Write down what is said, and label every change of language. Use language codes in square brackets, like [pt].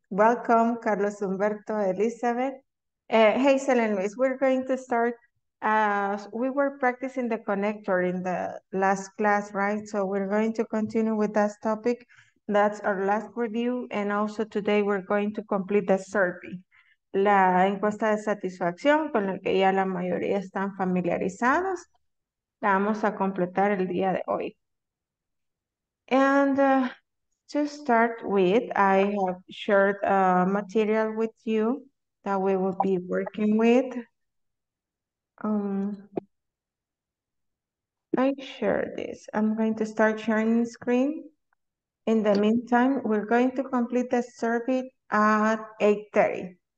[en] Welcome, Carlos Humberto, Elizabeth. Hazel and Luis, we're going to start. We were practicing the connector in the last class, right? So we're going to continue with that topic. That's our last review. And also today we're going to complete the survey. [es] La encuesta de satisfacción con la que ya la mayoría están familiarizados. La vamos a completar el día de hoy. [en] And to start with, I have shared material with you that we will be working with. I share this. I'm going to start sharing screen. In the meantime, we're going to complete the survey at 8:30.